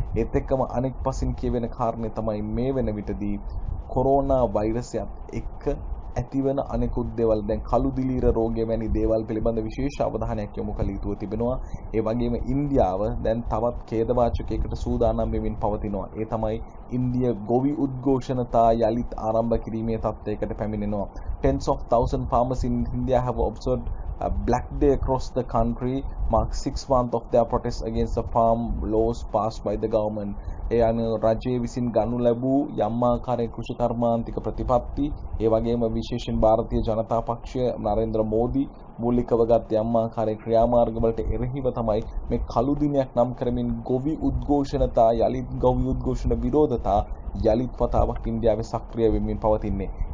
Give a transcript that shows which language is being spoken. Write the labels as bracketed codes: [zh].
[si] ඒත් එක්කම අනෙක් පසින් කියවෙන කාරණේ තමයි මේ වෙන විටදී කොරෝනා වෛරසයත් එක්ක ඇතිවන අනෙකුත් දේවල්, දැන් කළු දිලීර රෝගය වැනි දේවල් පිළිබඳ විශේෂ අවධානයක් යොමු කළ යුතුව තිබෙනවා. ඒ වගේම ඉන්දියාව දැන් තවත් ඛේදවාචකයකට සූදානම් වෙමින් පවතිනවා. ඒ තමයි ඉන්දියා ගොවි උද්ඝෝෂණතා යලිත් ආරම්භ කිරීමේ තත්ත්වයකට පැමිණෙනවා. [en] Tens of thousand farmers in India have observed a black day across the country mark 6 months of their protest against the farm laws passed by the government. [si] ඒ අනුව රජය විසින් ගනු ලැබූ යම් ආකාරයේ කෘෂි කර්මාන්තික ප්‍රතිපත්ති, ඒ වගේම විශේෂයෙන් භාරතීය ජනතා පක්ෂය නරේන්ද්‍ර මෝදි මූලිකව ගත් යම් ආකාරයේ ක්‍රියාමාර්ග වලට එරෙහිව තමයි මේ කළු දිනයක් නම් කරමින් ගොවි උද්ඝෝෂණතා යලිත් ගොවි උද්ඝෝෂණ විරෝධතා යලිත් වතාවක් ඉන්දියාවේ සක්‍රිය වෙමින් පවතින්නේ.